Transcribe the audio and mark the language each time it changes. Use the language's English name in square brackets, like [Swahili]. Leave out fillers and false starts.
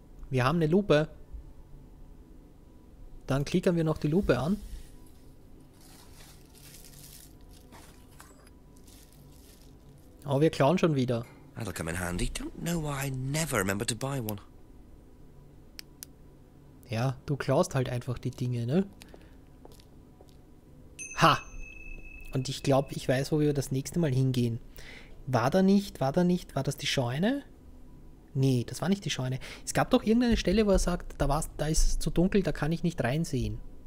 [German] Wir haben eine Lupe. Dann klicken wir noch die Lupe an. Oh, wir klauen schon wieder. [English] That'll come in handy. Don't know why I never remember to buy one. [German] Ja, du klaust halt einfach die Dinge, ne? Ha! Und ich glaube, ich weiß, wo wir das nächste Mal hingehen. War das die Scheune? Nee, das war nicht die Scheune. Es gab doch irgendeine Stelle, wo er sagt, da ist es zu dunkel, da kann ich nicht reinsehen.